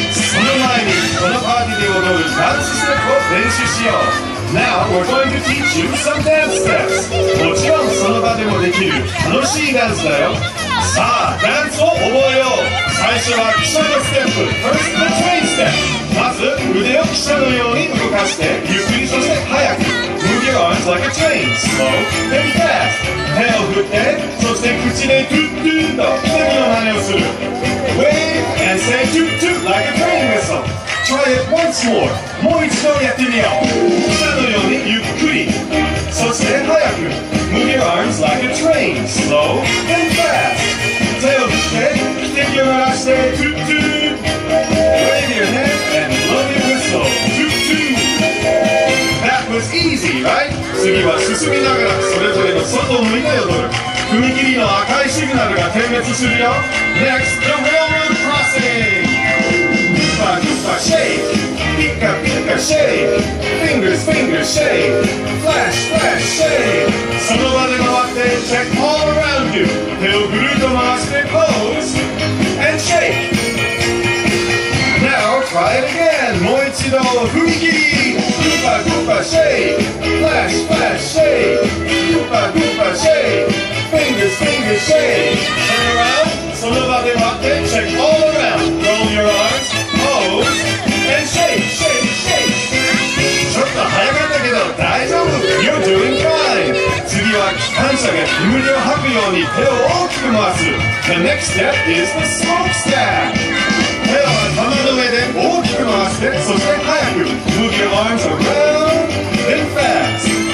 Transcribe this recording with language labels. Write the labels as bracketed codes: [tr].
[ja] その前にこのパーティーで踊るダンスステップを練習しよう。 [en] Now we're going to teach you some dance steps。 [ja] もちろんその場でもできる楽しいダンスだよ。さあダンスを覚えよう。最初は汽車のステップ [en] First the train step。 [ja] まず腕を汽車のように動かしてゆっくり、そして速く。 [en] Move your arms like a train, slow and fast。 [ja] 手を振って、そして口でトゥトゥと奇跡の真似をする。 [en] Wave and say toot toot like a train whistle. Try it once more. [ja] もう一度やってみよう。汽車のようにゆっくり、そして速く。 [en] Move your arms like a train, slow and fast. [ja] 手を振って汽笛を鳴らしてトゥトゥ。 [en] Wave your neck and blow your whistle. [ja] トゥトゥ。 [en] That was easy, right? [ja] 次は進みながらそれぞれの外を向いて踊る。踏み切りの赤いシグナルが点滅するよ。 [en] Next, the railroad crossing! [ja] グパグパシェイク、ピカピカシェイク、フィンガースフィンガーシェイク、フラッシュフラッシュシェイク。その場で回って [en] check all around you。 [ja] 手をぐるっと回してポーズ [en] and shake。 Now try it again! [ja] もう一度踏み切り、グパグパシェイク、フラッシュフラッシュシェイク、グパグパシェイク、 [en] Fingers, fingers, shake. Turn around, [ja] その場で待って [en] check all around. Roll your arms, pose, and shake, shake, shake. [ja] ちょっと早かったけど大丈夫。 [en] You're doing fine. [ja] 次は機関車が煙を吐くように手を大きく回す。 [en] The next step is the smoke stack. [ja] 手は頭の上で大きく回して、そして早く。 [en] Move your arms around and fast.